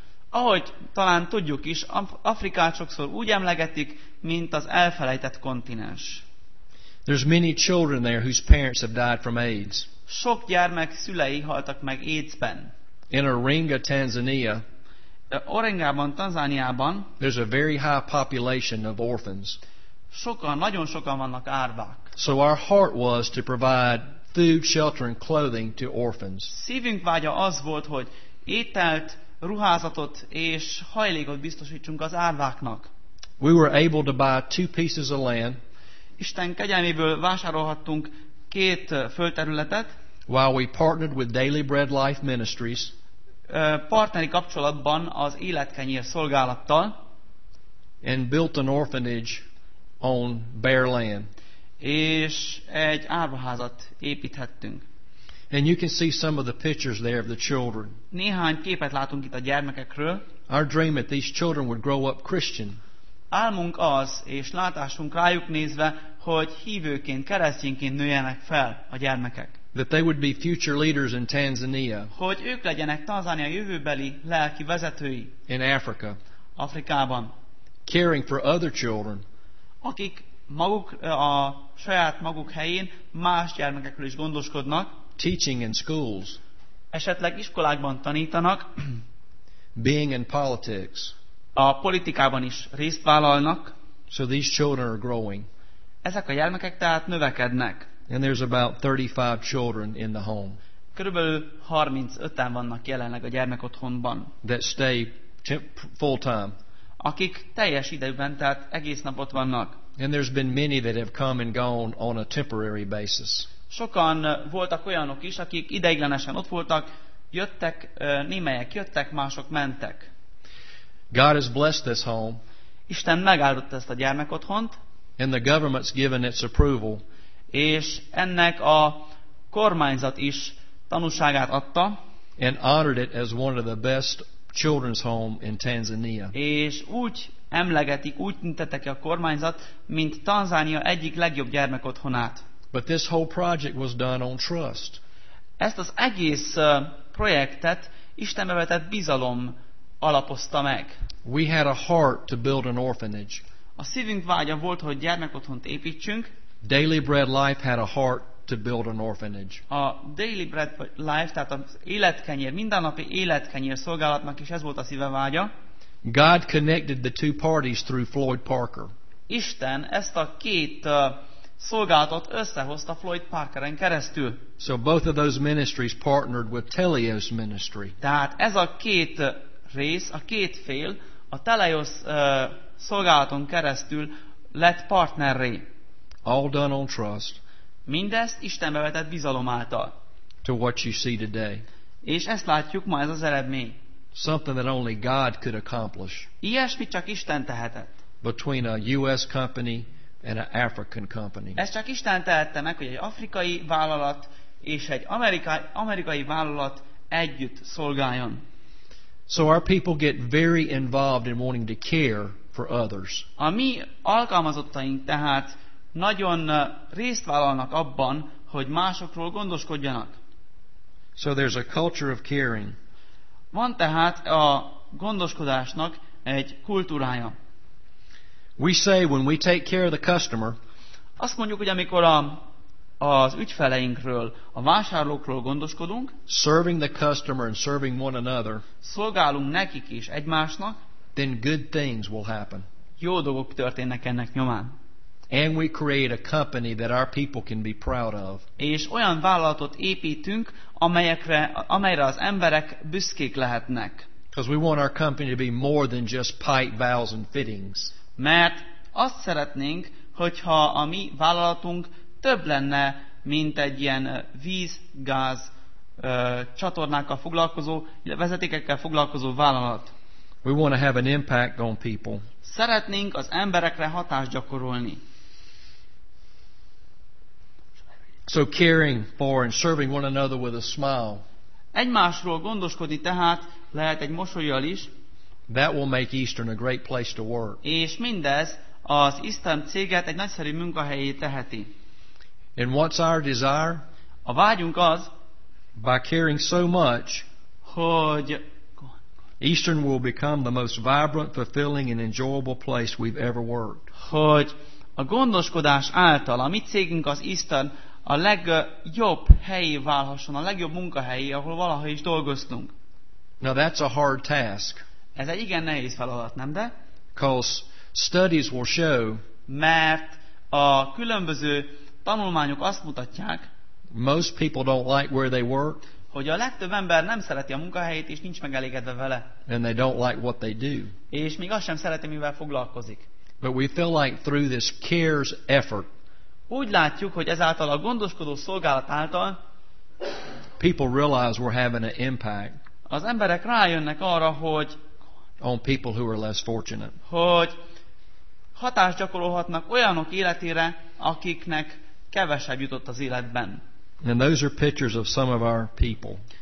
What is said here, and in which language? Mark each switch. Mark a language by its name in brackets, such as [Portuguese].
[Hungarian] Ahogy talán tudjuk is, Afrikát sokszor úgy emlegetik, mint az elfelejtett kontinens. [English] There's many children there whose parents have died from AIDS. [Hungarian] Sok gyermek szülei haltak meg AIDS-ben. [English] In Oringa, Tanzania. [Hungarian] Oringában, Tanzániában. [English] There's a very high population of orphans. [Hungarian] Sokan, nagyon sokan vannak árvák. [English] So our heart was to provide food, shelter and clothing to orphans. [Hungarian] Szívünk vágya az volt, hogy ételt, ruházatot és hajlékot biztosítsunk az árváknak. [English] We were able to buy 2 pieces of land. [Hungarian] Isten kegyelméből vásárolhattunk 2 földterületet. [English] While we partnered with Daily Bread Life Ministries. [Hungarian] Partneri kapcsolatban az életkenyér szolgálattal. [English] And built an orphanage on bare land. [Hungarian] És egy árvaházat építhettünk. [English] And you can see some of the pictures there of the children. [Hungarian] Néhány képet látunk itt a gyermekekről. [English] Our dream that these children would grow up Christian. [Hungarian] Álmunk az, és látásunk rájuk nézve, hogy hívőként, keresztényként nőjenek fel a gyermekek. [English] That they would be future leaders in Tanzania. [Hungarian] Hogy ők legyenek Tanzania jövőbeli lelki vezetői. [English] In Africa. [Hungarian] Afrikában. [English] Caring for other children. [Hungarian] Akik maguk a saját maguk helyén más gyermekekről is gondoskodnak. [English] Teaching in schools. [Hungarian] Esetleg iskolákban tanítanak. [English] Being in politics. [Hungarian] A politikában is részt vállalnak. [English] So these children are growing. [Hungarian] Ezek a gyermekek tehát növekednek. [English] And there's about 35 children in the home. [Hungarian] Körülbelül 35-en vannak jelenleg a gyermekotthonban. [English] That stay full time. [Hungarian] Akik teljes időben, tehát egész napot vannak. [English] And there's been many that have come and gone on a temporary basis. [Hungarian] Sokan voltak olyanok is, akik ideiglenesen ott voltak, jöttek, némelyek jöttek, mások mentek. [English] God has blessed this home. [Hungarian] Isten megáldott ezt a gyermekotthont. [English] And the government's given its approval. [Hungarian] És ennek a kormányzat is tanúságát adta. [English] And honored it as one of the best children's home in Tanzania. [Hungarian] És úgy emlegetik, úgy tüntetik a kormányzat, mint Tanzánia egyik legjobb gyermekotthonát. [English] But this whole project was done on trust. [Hungarian] Ezt az egész projektet Istenbe vetett bizalom alapozta meg. [English] We had a heart to build an orphanage. [Hungarian] A szívünk vágya volt, hogy gyermekotthont építsünk. [English] Daily Bread Life had a heart to build an orphanage. [Hungarian] A Daily Bread Life, tehát az életkenyér, mindennapi életkenyér szolgálatnak is ez volt a szíve vágya. [English] God connected the two parties through Floyd Parker. [Hungarian] Isten ezt a két szolgálatot összehozta Floyd Parkeren keresztül. [English] So both of those ministries partnered with Teleios ministry. [Hungarian] Tehát ez a két rész, a két fél a Teleios szolgálaton keresztül lett partnerré. [English] All done on trust. [Hungarian] Mindezt Istenbe vetett bizalom által. [English] To what you see today. [Hungarian] És ezt látjuk ma, ez az eredmény. [English] Something that only God could accomplish. [Hungarian] Ilyesmit csak Isten tehetett. [English] Between a US company and an African company. [Hungarian] Ezt csak Isten tehette meg, hogy egy afrikai vállalat és egy amerikai vállalat együtt szolgáljon. [English] So our people get very involved in wanting to care for others. [Hungarian] A mi alkalmazottaink tehát nagyon részt vállalnak abban, hogy másokról gondoskodjanak. [English] So there's a culture of caring. [Hungarian] Van tehát a gondoskodásnak egy kultúrája. [English] We say when we take care of the customer, [Hungarian] azt mondjuk, hogy amikor az ügyfeleinkről, a vásárlókról gondoskodunk, [English] serving the customer and serving one another, [Hungarian] szolgálunk nekik is egymásnak, [English] then good things will happen. [Hungarian] Jó dolgok történnek ennek nyomán. [English] And we create a company that our people can be proud of. [Hungarian] És olyan vállalatot építünk, amelyre az emberek büszkék lehetnek. [English] Because we want our company to be more than just pipe, valves and fittings. [Hungarian] Mert azt szeretnénk, hogyha a mi vállalatunk több lenne, mint egy ilyen víz, gáz csatornákkal foglalkozó, vezetékekkel foglalkozó vállalat. [English] We want to have an impact on people. [Hungarian] Szeretnénk az emberekre hatást gyakorolni. [English] So caring for and serving one another with a smile. [Hungarian] Egymásról gondoskodni tehát lehet egy mosolyjal is. [English] That will make Eastern a great place to work. [Hungarian] És mindez az Eastern céget egy nagyszerű munkahelyé teheti. [English] And what's our desire? [Hungarian] A vágyunk az, [English] by caring so much, [Hungarian] hogy [English] Eastern will become the most vibrant, fulfilling and enjoyable place we've ever worked. [Hungarian] Hogy a gondoskodás által a mi cégünk az Eastern a legjobb helyé válhasson, a legjobb munkahelyé, ahol valaha is dolgoztunk. [English] Now that's a hard task. [Hungarian] Ez egy igen nehéz feladat, nem de? [English] Because studies will show, [Hungarian] mert a különböző tanulmányok azt mutatják, [English] most people don't like where they work, [Hungarian] hogy a legtöbb ember nem szereti a munkahelyét, és nincs megelégedve vele. [English] And they don't like what they do. [Hungarian] És még azt sem szereti, mivel foglalkozik. [English] But we feel like through this cares effort, [Hungarian] úgy látjuk, hogy ezáltal a gondoskodó szolgálat által [English] people realize we're having an impact. [Hungarian] Az emberek rájönnek arra, hogy [English] on people who are less fortunate. [Hungarian] Hogy hatást gyakorolhatnak olyanok életére, akiknek kevesebb jutott az életben. [English] And those are pictures of some of our people.